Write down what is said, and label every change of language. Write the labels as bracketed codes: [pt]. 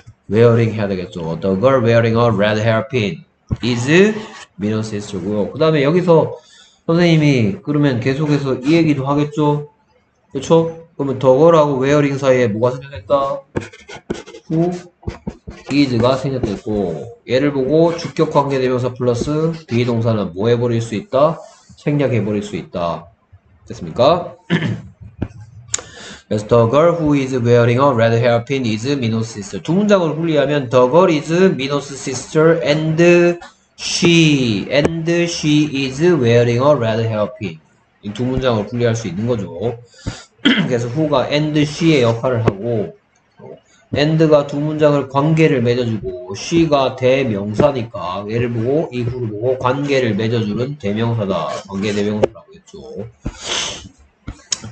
[ko] wearing 해야 되겠죠. [en] The girl wearing a red hairpin is Minho's sister [ko] 고요. 그 다음에 여기서 선생님이 그러면 계속해서 이 얘기도 하겠죠. 그렇죠? 그러면 the girl하고 wearing 사이에 뭐가 생겼다? who is가 생겼고 얘를 보고 주격 관계대명사 플러스 be 동사는 뭐 해버릴 수 있다? 생략해버릴 수 있다. 됐습니까? 그래서 [en] the girl who is wearing a red hairpin is Minho's sister. [ko] 두 문장을 분리하면 [en] the girl is Minho's sister and she is wearing a red hairpin. [ko] 이두 문장을 분리할 수 있는 거죠. 그래서 who가 and she의 역할을 하고 and가 두 문장을 관계를 맺어주고 she가 대명사니까 얘를 보고 이 who를 보고 관계를 맺어주는 대명사다. 관계대명사라고 했죠.